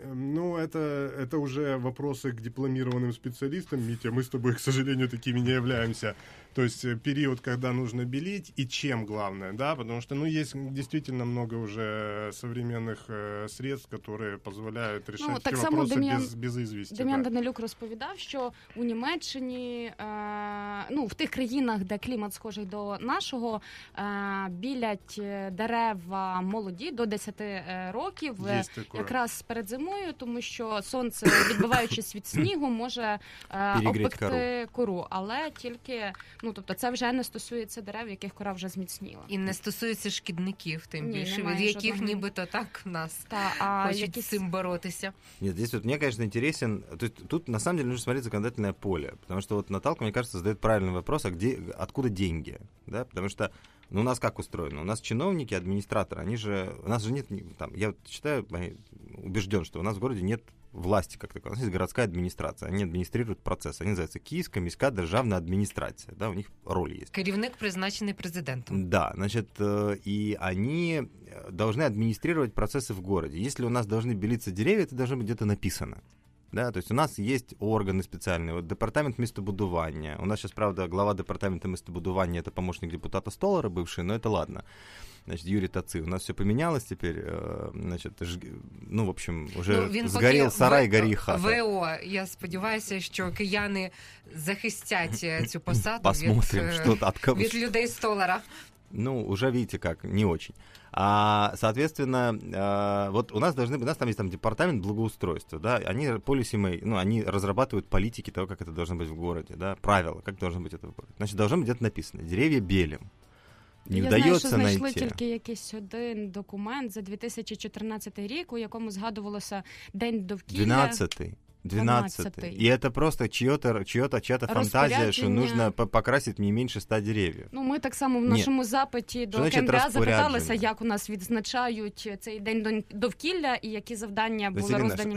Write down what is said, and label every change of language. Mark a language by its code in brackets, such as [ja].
[ru] Ну, это уже вопросы к дипломированным специалистам, Митя, мы с тобой, к сожалению, такими не являемся. То есть период, когда нужно белить, и чем главное, да, потому что, ну, есть действительно много уже современных средств, которые позволяют решать, ну, так само вопросы Дем'ян, без известия. [uk] Дем'ян Данилюк розповідав, що у Німеччині, ну, в тих країнах, де клімат схожий до нашого, білять дерева молоді до 10 років, якраз перед зимою, тому що сонце, відбиваючись від снігу, може обпекти кору, але тільки... Ну, тобто це вже не стосується дерев, яких кора вже зміцніла. І не стосується шкідників, тим більше, від яких жодного... нібито так нас хочуть якісь... цим боротися. [ru] Ні, здесь вот мне, конечно, интересен, тут на самом деле нужно смотреть законодательное поле, потому что вот Наталка, мне кажется, задает правильный вопрос, а где, откуда деньги, да, потому что, ну, у нас как устроено? У нас чиновники, администраторы, они же, у нас же нет, там, я вот считаю, убежден, что у нас в городе нет власти как такой. У нас есть городская администрация. Они администрируют процессы. Они называются Киевская міськая державная администрация. Да, у них роль есть. [uk] Керівник, призначенный президентом. [ru] Да, значит, и они должны администрировать процессы в городе. Если у нас должны белиться деревья, это должно быть где-то написано. Да, то есть у нас есть органы специальные. Вот департамент містобудування. У нас сейчас, правда, глава департамента містобудування это помощник депутата Столара бывший, но это ладно. Значит, Юрій Таци, у нас все помінялось теперь, значит, ну, в общем, уже [uk] згорів сарай, горі хата. ВО, я сподіваюся, що кияни захистять цю посаду [ru] посмотрим, [uk] від людей Столара. [ru] Ну, уже видите, как не очень. А, соответственно, вот у нас должны быть, у нас там есть там департамент благоустройства, да, они [en] policy make, [ru] ну, они разрабатывают политики того, как это должно быть в городе, да, правила, как должно быть это в городе. Значит, должно быть где-то написано, деревья белим. [uk] Не я знаю, що знайшли [ru] найти. [uk] Тільки якийсь один документ за 2014 рік, у якому згадувалося День довкілля. 12-й. І це просто чиято фантазія, що нужно покрасити не менше 100 деревьев. Ну, ми так само в нашому запиті до КМДА запиталися, як у нас відзначають цей День довкілля і які завдання були роздані місцевим комунальникам.